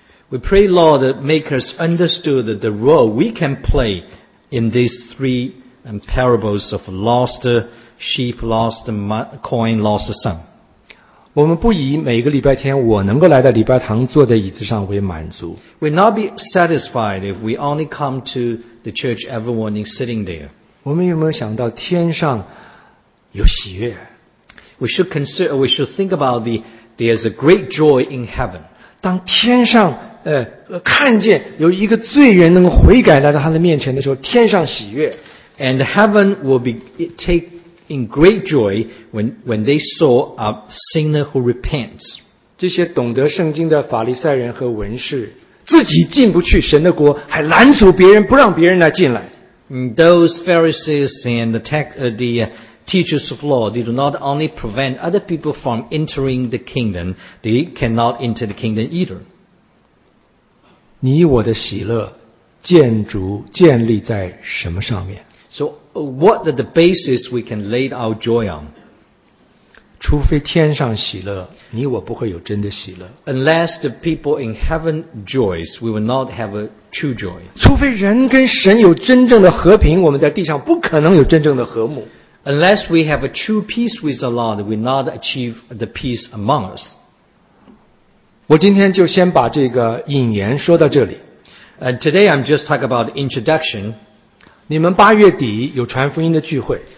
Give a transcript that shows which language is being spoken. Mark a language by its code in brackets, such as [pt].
[en] We pray, Lord, make us understood the role we can play in these three parables of lost sheep, lost coin, lost son. [zh] 我们不以每个礼拜天我能够来到礼拜堂坐在椅子上为满足。 [en] We'll not be satisfied if we only come to the church every morning sitting there. [zh] 我们有没有想到天上有喜悦？ [en] We should think about there's a great joy in heaven. [zh] 当天上看见有一个罪人能悔改来到他的面前的时候，天上喜悦。 [en] And heaven will be take in great joy when they saw a sinner who repents. [zh] 这些懂得圣经的法利赛人和文士，自己进不去神的国，还拦阻别人，不让别人来进来。 [en] Those Pharisees and the teachers of law, they do not only prevent other people from entering the kingdom, they cannot enter the kingdom either. [zh] 你我的喜乐建立在什么上面？ [en] So what are the basis we can lay our joy on? [zh] 除非天上喜乐，你我不会有真的喜乐。 [en] Unless the people in heaven joys, we will not have a true joy. [zh] 除非人跟神有真正的和平，我们在地上不可能有真正的和睦。 [en] Unless we have a true peace with the Lord, we will not achieve the peace among us. [zh] 我今天就先把这个引言说到这里。 [en] Today I'm just talking about the introduction. [zh] 你们八月底有传福音的聚会。